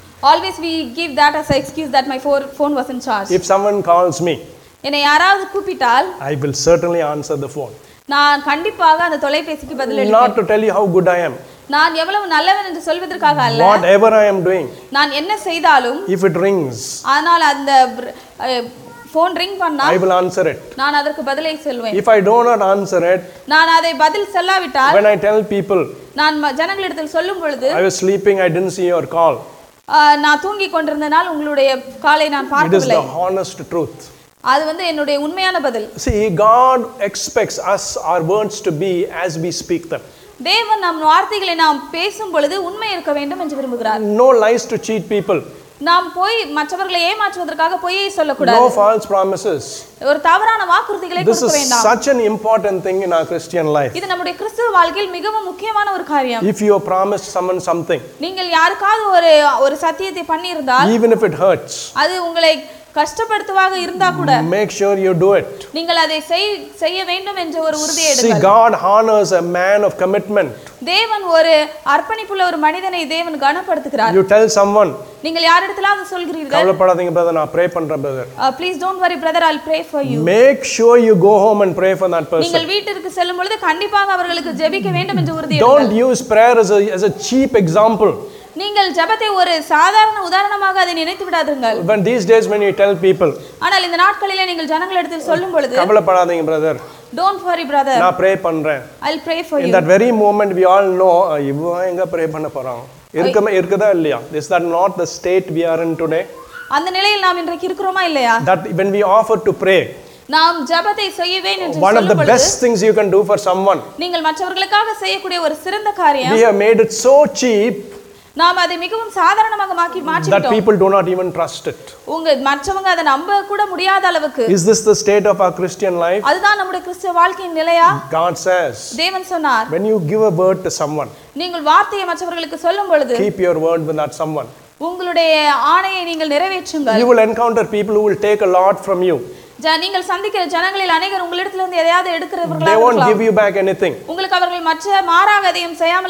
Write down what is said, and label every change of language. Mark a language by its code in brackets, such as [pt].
[en] Always we give that as an excuse that my phone was in charge. If someone calls me. [ta] என்னை யாராவது கூப்பிட்டால் [en] I will certainly answer the phone. [ta] நான் கண்டிப்பாக அந்த தொலைபேசிக்கு பதிலளிப்பேன். [en] Not to tell you how good I am. [ta] நான் எவ்வளவு நல்லவன் என்று சொல்வதற்காக அல்ல. [en] Whatever I am doing. [ta] நான் என்ன செய்தாலும் [en] if it rings. [ta] ஆனால் அந்த phone ring பண்ணா [en] I will answer it. [ta] நான் அதற்கு பதிலை சொல்வேன். [en] If I do not answer it. [ta] நான் அதை பதில் சொல்லாவிட்டால் [en] when I tell people. [ta] நான் ஜனங்களிடத்தில் சொல்லும் பொழுது [en] I was sleeping I didn't see your call. [ta] நான் தூங்கிக் கொண்டிருந்தனால் உங்களுடைய காலை நான் பார்க்கவில்லை. [en] It is the honest truth. [ta] அது வந்து என்னுடைய உண்மையான பதில். [en] See God expects us our words to be as we speak them. [ta] தேவன் நம் வார்த்தைகளை நாம் பேசும் பொழுது உண்மை இருக்க வேண்டும் என்று விரும்புகிறார். [en] No lies to cheat people. [ta] நாம் போய் மற்றவர்களை ஏமாற்றுவதற்காக பொய்யை சொல்லக்கூடாது. [en] No false promises. [ta] ஒரு தவறான வாக்குறுதிகளை கொடுக்க வேண்டாம். [en] This is such an important thing in our Christian life. [ta] இது நம்முடைய கிறிஸ்துவ வாழ்க்கையில் மிகவும் முக்கியமான ஒரு காரியம். [en] If you have promised someone something. [ta] நீங்கள் யாருக்காவது ஒரு சத்தியத்தை பண்ணியிருந்தால் [en] even if it hurts. [ta] அது உங்களை கஷ்டப்படுத்துவாக இருந்தா கூட [en] make sure you do it. [ta] நீங்கள் அதை செய்ய வேண்டும் என்ற ஒரு உறுதி எடுங்கள். [en] See, God honors a man of commitment. [ta] தேவன் ஒரு அர்ப்பணிப்புள்ள ஒரு மனிதனை தேவன் கனப்படுத்துகிறார். [en] You tell someone. [ta] நீங்கள் யாரிடத்திலாவது சொல்கிறீர்கள். கவலைப்படாதீங்க பிரதர், நான் ப்ரே பண்றேன் brother. [en] Please don't worry brother, I'll pray for you. Make sure you go home and pray for that person. [ta] நீங்கள் வீட்டிற்கு செல்லும் பொழுது கண்டிப்பாக அவர்களுக்கு ஜெபிக்க வேண்டும் என்ற உறுதி எடுங்கள். [en] Don't use prayer as a cheap example. [ta] நீங்கள் ஜெபத்தை ஒரு சாதாரண உதாரணமாக அதை நினைத்து விடாதீர்கள். [en] When these days when you tell people. [ta] ஆனால் இந்த நாட்களில் நீங்கள் ஜனங்கள் இடத்தில் சொல்லும் பொழுது கவலைப்படாதீங்க பிரதர். [en] Don't worry brother. [ta] நான் ப்ரே பண்றேன். [en] I'll pray for you. In that very moment we all know [ta] இவ்வளவு எங்க ப்ரே பண்ண போறோம். இருக்குதா இல்லையா? [en] Is that not the state we are in today? [ta] அந்த நிலையில் நாம் இன்றைக்கு இருக்கிறோமா இல்லையா? [en] That when we offer to pray. [ta] நாம் ஜெபத்தை செய்வேன் என்று [en] One of the best things you can do for someone. [ta] நீங்கள் மற்றவர்களுக்காக செய்யக்கூடிய ஒரு சிறந்த காரியம். [en] We have made it so cheap. [ta] நாம் அதை மிகவும் சாதாரணமாக Makki மாற்றிட்டோம். [en] That people do not even trust it. [ta] உங்க மற்றவங்க அதை நம்ப கூட முடியாத அளவுக்கு. [en] Is this the state of our Christian life? [ta] அதுதான் நம்முடைய கிறிஸ்தவ வாழ்க்கையின் நிலையா? [en] God says. [ta] தேவன் சொன்னார். [en] When you give a word to someone. [ta] நீங்கள் வார்த்தையை மற்றவர்களுக்கு சொல்லும் பொழுது [en] keep your word with that someone. [ta] உங்களுடைய ஆணையை நீங்கள் நிறைவேற்றுங்கள். [en] You will encounter people who will take a lot from you. [ta] நீங்கள் சந்திக்கிற ஜனங்களில் அநேகர் உங்களிடத்தில் இருந்து எதையாவது எடுக்கிறவர்களாக இருக்கலாம். [en] They won't give you back anything. [ta] உங்களுக்கு அவர்கள் மற்ற மாறாக எதையும் செய்யாமல